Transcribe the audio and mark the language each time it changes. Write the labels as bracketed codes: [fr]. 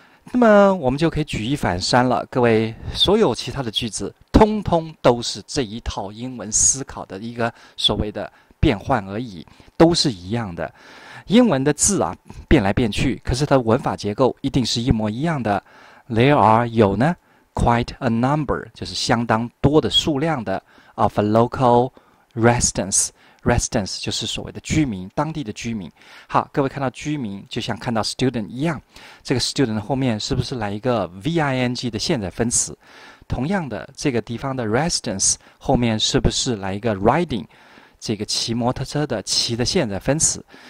[zh] 那么我们就可以举一反三了。各位，所有其他的句子，通通都是这一套英文思考的一个所谓的变换而已，都是一样的。英文的字啊，变来变去，可是它的文法结构一定是一模一样的。 [en] There are [zh] 有呢， [en] quite a number [zh] 就是相当多的数量的 [en] of a local residence。 [zh] Residence 就是所谓的居民，当地的居民。好，各位看到居民就像看到 student 一样，这个 student 后面是不是来一个 ving 的现在分词？同样的，这个地方的 residence 后面是不是来一个 riding，这个骑摩托车的骑的现在分词？